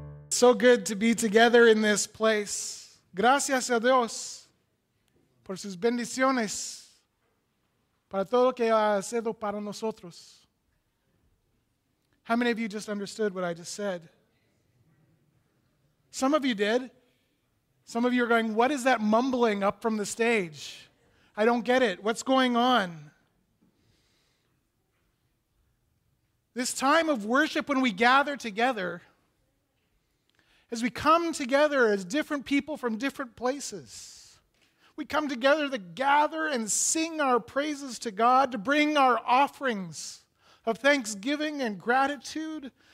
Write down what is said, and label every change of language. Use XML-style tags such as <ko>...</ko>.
<en>so good to be together in this place.</en> <es>Gracias a Dios por sus bendiciones para todo lo que ha sido para nosotros.</es> <en>How many of you just understood what I just said? Some of you did. Some of you are going, what is that mumbling up from the stage? I don't get it. What's going on? This time of worship when we gather together, as we come together as different people from different places, we come together to gather and sing our praises to God, to bring our offerings of thanksgiving and gratitude.</en>